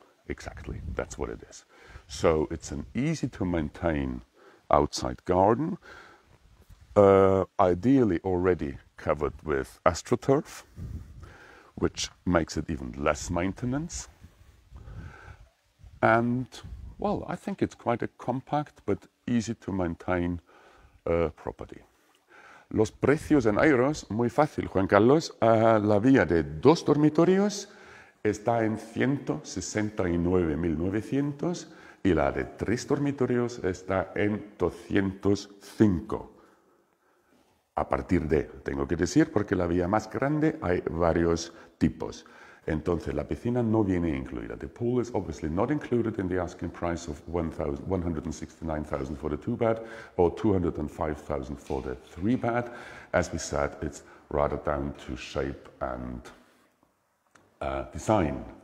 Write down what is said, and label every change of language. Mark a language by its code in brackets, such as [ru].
[en] Exactly, that's what it is. So it's an easy to maintain outside garden, ideally already covered with AstroTurf, which makes it even less maintenance. And well, I think it's quite a compact but easy to maintain property. [es] Los precios en euros, muy fácil, Juan Carlos. La vía de 2 dormitorios está en 169.900 y la de 3 dormitorios está en 205. A partir de, tengo que decir, porque la vía más grande hay varios tipos. Entonces, la piscina no viene incluida. [en] The pool is obviously not included in the asking price of 169,000 for the 2-bed or 205,000 for the 3-bed. As we said, it's rather down to shape and design.